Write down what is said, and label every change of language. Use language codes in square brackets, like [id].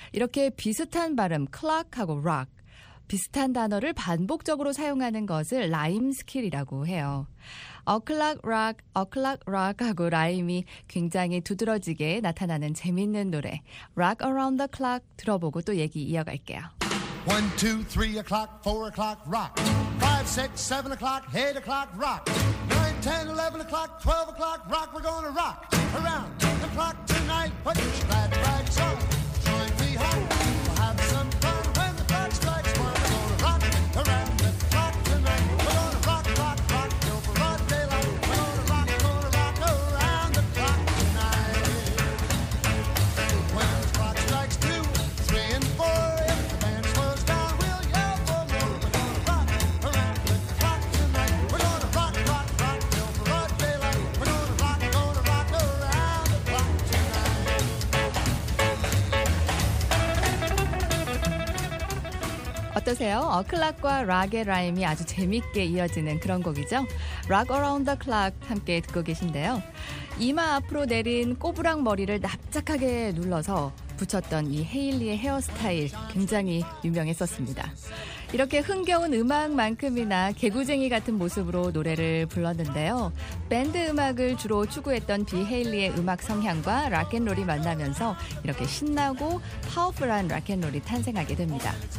[ko] 이렇게 비슷한 발음 clock하고 rock, 비슷한 단어를 반복적으로 사용하는 것을 rhyme skill이라고 해요. [en] A clock rock, a clock rock [ko] 하고 라임이 굉장히 두드러지게 나타나는 재밌는 노래 Rock Around the Clock 들어보고 또 얘기 이어갈게요. [en] 1, 2, 3 o'clock, 4 o'clock, rock 5, 6, 7 o'clock, 8 o'clock, rock 9, 10, 11 o'clock, 12 o'clock, rock We're gonna rock around the clock tonight Put your glad rags [ko] on어떠세요? 어클락과 락의 라임이 아주 재밌게 이어지는 그런 곡이죠. Rock Around the Clock 함께 듣고 계신데요. 이마 앞으로 내린 꼬부랑 머리를 납작하게 눌러서 붙였던 이 헤일리의 헤어스타일 굉장히 유명했었습니다. 이렇게 흥겨운 음악만큼이나 개구쟁이 같은 모습으로 노래를 불렀는데요. 밴드 음악을 주로 추구했던 비 헤일리의 음악 성향과 락앤롤이 만나면서 이렇게 신나고 파워풀한 락앤롤이 탄생하게 됩니다.